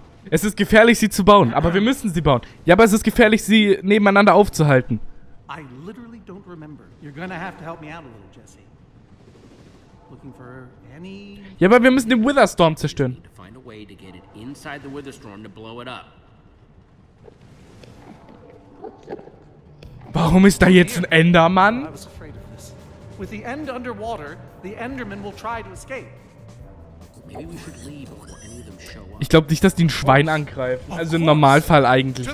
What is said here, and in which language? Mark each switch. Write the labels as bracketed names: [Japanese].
[German] Es ist gefährlich, sie zu bauen, aber wir müssen sie bauen. Ja, aber es ist gefährlich, sie nebeneinander aufzuhalten. [English] I literally don't remember. You're gonna have to help me out a little, Jesse. Looking for any... [German] Ja, aber wir müssen den Witherstorm zerstören. [English] Way to get it inside the Witherstorm to blow it up. [German] Warum ist da jetzt ein Enderman? [English] I was afraid of this. With the End underwater, the Enderman will try to escape. Maybe we should leave before any of them show up. [German] Ich glaube nicht, dass die ein Schwein angreifen. Also im Normalfall eigentlich nicht.